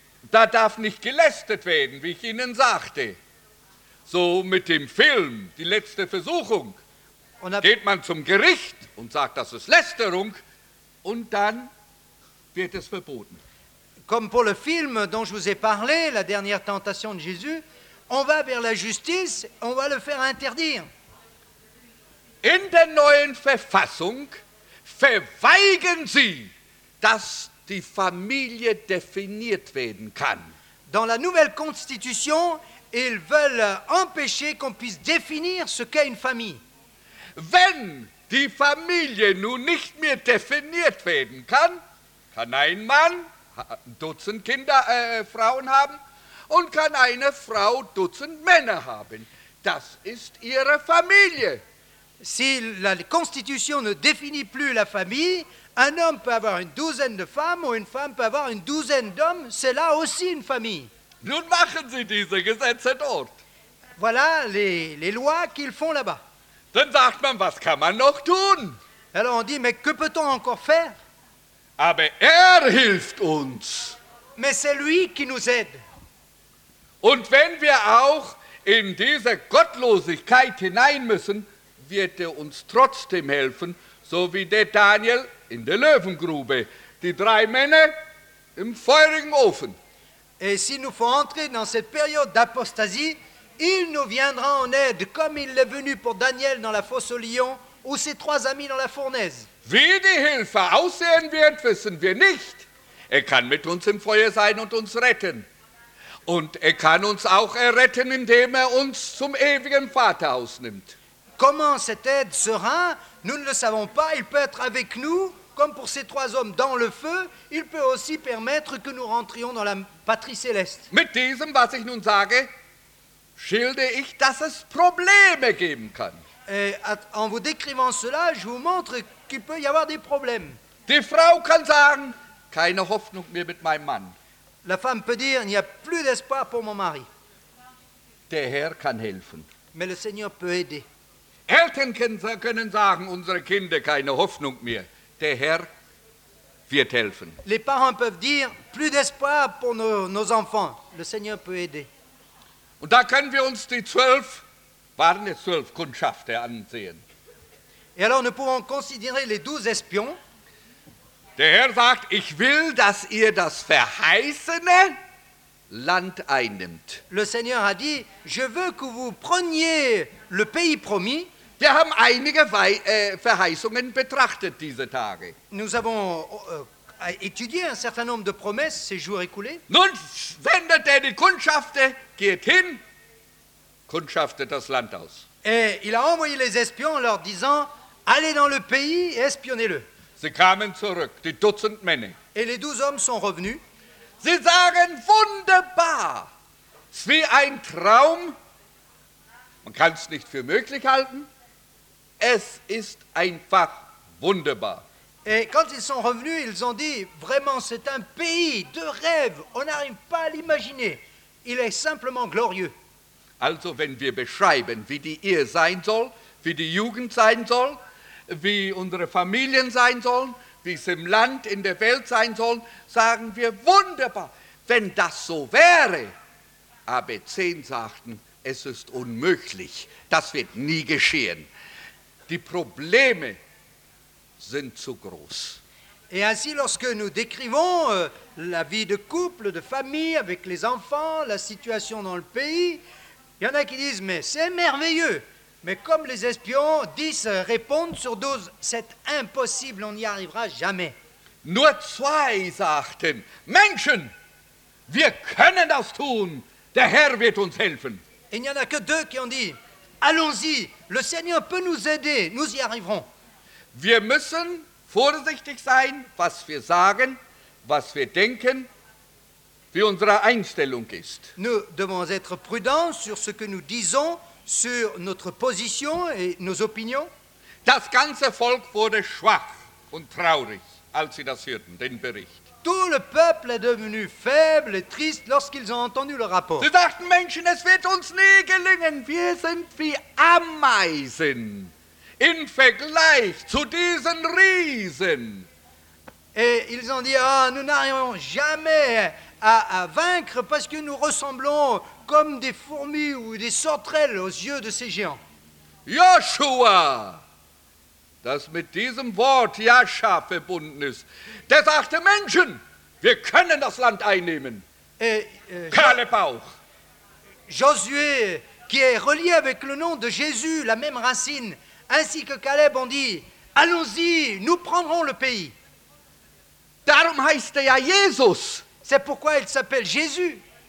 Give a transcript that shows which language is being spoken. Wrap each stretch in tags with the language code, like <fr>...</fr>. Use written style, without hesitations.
<de>Da darf nicht gelästert werden, wie ich Ihnen sagte. So mit dem Film, die letzte Versuchung. geht man zum Gericht und sagt, das ist Lästerung, und dann wird es verboten.</de> <fr>Comme pour le film dont je vous ai parlé, La dernière tentation de Jésus, on va vers la justice, on va le faire interdire.</fr> <de>In der neuen Verfassung verweigern sie, dass die Familie definiert werden kann.</de> <fr>Dans la nouvelle constitution, ils veulent empêcher qu'on puisse définir ce qu'est une famille.</fr> <de>Wenn die Familie nun nicht mehr definiert werden kann, kann ein Mann Dutzend Kinder, Frauen haben und kann eine Frau Dutzend Männer haben. Das ist ihre Familie.</de> <fr>Si la constitution ne définit plus la famille, un homme peut avoir une douzaine de femmes ou une femme peut avoir une douzaine d'hommes, c'est là aussi une famille.</fr> <de>Nun machen sie diese Gesetze dort.</de> <fr>Voilà les lois qu'ils font là-bas.</fr> <de>Dann sagt man, was kann man noch tun?</de> <fr>Alors on dit, mais que peut-on encore faire?</fr> <de>Aber er hilft uns.</de> <fr>Mais c'est lui qui nous aide.</fr> <de>Und wenn wir auch in diese Gottlosigkeit hinein müssen, wird er uns trotzdem helfen, so wie der Daniel in der Löwengrube, die drei Männer im feurigen Ofen.</de> <fr>Et s'il nous faut entrer dans cette période d'apostasie, il nous viendra en aide, comme il l'est venu pour Daniel dans la fosse aux lions, ou ses trois amis dans la fournaise.</fr> <de>Wie die Hilfe aussehen wird, wissen wir nicht. Er kann mit uns im Feuer sein und uns retten. Und er kann uns auch erretten, indem er uns zum ewigen Vater ausnimmt.</de> <fr>Comment cette aide sera? Nous ne le savons pas. Il peut être avec nous, comme pour ces trois hommes dans le feu. Il peut aussi permettre que nous rentrions dans la patrie céleste.</fr> <de>Mit diesem, was ich nun sage, schilde ich, dass es Probleme geben kann.</de> <fr>Et en vous décrivant cela, je vous montre qu'il peut y avoir des problèmes.</fr> <de>Die Frau kann sagen, keine Hoffnung mehr mit meinem Mann.</de> <fr>La femme peut dire, il n'y a plus d'espoir pour mon mari.</fr> <de>Der Herr kann helfen.</de> <fr>Mais le Seigneur peut aider.</fr> <de>Eltern können sagen, unsere Kinder keine Hoffnung mehr. Der Herr wird helfen.</de> <fr>Les parents peuvent dire, plus d'espoir pour nos enfants. Le Seigneur peut aider.</fr> <de>Und da können wir uns die 12, waren es 12 Kundschafter ansehen.</de> <fr>Et alors nous pouvons considérer les 12 espions.</fr> <de>Der Herr sagt, ich will, dass ihr das verheißene Land einnimmt.</de> <fr>Le Seigneur a dit, je veux que vous preniez le pays promis.</fr> <de>Wir haben einige Verheißungen betrachtet diese Tage.</de> <fr>Nous avons étudié un certain nombre de promesses ces jours écoulés.</fr> <de>Nun sendet er die Kundschafter, geht hin, kundschaftet das Land aus.</de> <fr>Et il a envoyé les espions en leur disant, allez dans le pays et espionnez-le.</fr> <de>Sie kamen zurück, die Dutzend Männer.</de> <fr>Et les 12 hommes sont revenus.</fr> <de>Sie sagen, wunderbar, es ist wie ein Traum. Man kann es nicht für möglich halten. Es ist einfach wunderbar.</de> <fr>Et quand ils sont revenus, ils ont dit, vraiment, c'est un pays de rêve. On n'arrive pas à l'imaginer. Il est simplement glorieux.</fr> <de>Also, wenn wir beschreiben, wie die Ehe sein soll, wie die Jugend sein soll, wie unsere Familien sein sollen, wie es im Land, in der Welt sein sollen, sagen wir, wunderbar, wenn das so wäre. Aber 10 sagten, es ist unmöglich, das wird nie geschehen. Die Probleme sind zu groß.</de> <fr>Et ainsi, lorsque nous décrivons la vie de couple, de famille, avec les enfants, la situation dans le pays, il y en a qui disent, mais c'est merveilleux. Mais comme les espions, 10 répondent sur 12, c'est impossible, on n'y arrivera jamais.</fr> <de>Nur 2 sagten, Menschen, wir können das tun, der Herr wird uns helfen.</de> <fr>Il n'y en a que 2 qui ont dit, allons-y, le Seigneur peut nous aider, nous y arriverons.</fr> <de>Wir müssen vorsichtig sein, was wir sagen, was wir denken, wie unsere Einstellung ist.</de> <fr>Nous devons être prudents sur ce que nous disons, sur notre position et nos opinions.</fr> <de>Das ganze Volk wurde schwach und traurig, als sie das hörten, den Bericht.</de> <fr>Tout le peuple est devenu faible et triste lorsqu'ils ont entendu le rapport.</fr> <de>Sie dachten, Menschen, es wird uns nie gelingen. Wir sind wie Ameisen im Vergleich zu diesen Riesen.</de> <fr>Et ils ont dit, ah, nous n'arriverons jamais à vaincre parce que nous ressemblons comme des fourmis ou des sauterelles aux yeux de ces géants.</fr> <de>Joshua, das mit diesem Wort Jascha verbunden ist. Der sagte: Menschen, wir können das Land einnehmen. Kaleb auch.</de> <fr>Josué, qui est relié avec le nom de Jésus, la même racine, ainsi que Caleb ont dit: Allons-y, nous prendrons le pays.</fr> <de>Darum heißt er ja Jesus.</de> <fr>C'est pourquoi il s'appelle Jésus.</fr>